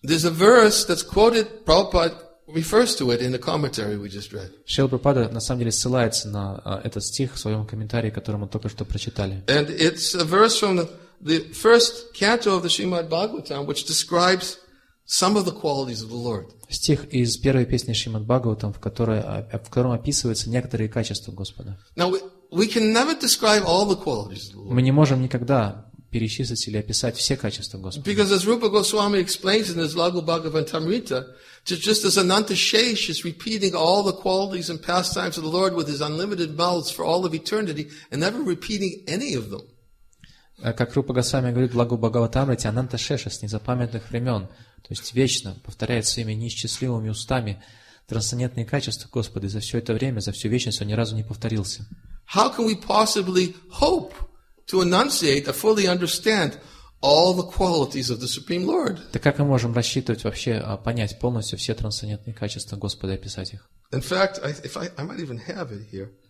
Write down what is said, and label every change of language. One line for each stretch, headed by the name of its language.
English: There's a verse that's quoted, Prabhupada refers to it in the commentary we just read.
Russian: Шрила Прабхупада на самом деле ссылается на этот стих в своем комментарии, который мы только что прочитали.
English: And it's a verse from the first canto of the Srimad Bhagavatam, which describes some of the qualities of the Lord.
Russian: Стих из первой песни Шримад Бхагаватам, в котором описываются некоторые качества Господа.
English: Now we can never describe all the qualities of the Lord.
Russian: Мы не можем никогда перечислить или описать все качества Господа.
English: Because as Rupa Goswami explains in his Lagu Bhagavatamrita, just as Ananta Shesh is repeating all the qualities and pastimes of the Lord with his unlimited mouths for all of eternity and never repeating any of them.
Russian: Как Рупа Госвами говорит в Лагу Бхагаватамрите, Ананта Шеша с незапамятных времен, то есть вечно, повторяет своими неисчислимыми устами трансцендентные качества Господа, и за все это время, за всю вечность он ни разу не повторился.
English: How can we possibly hope to enunciate or fully understand all the qualities of the Supreme Lord?
Russian: Да как мы можем рассчитывать вообще понять полностью все трансцендентные качества Господа и описать их?
English: In fact, I might even have it here.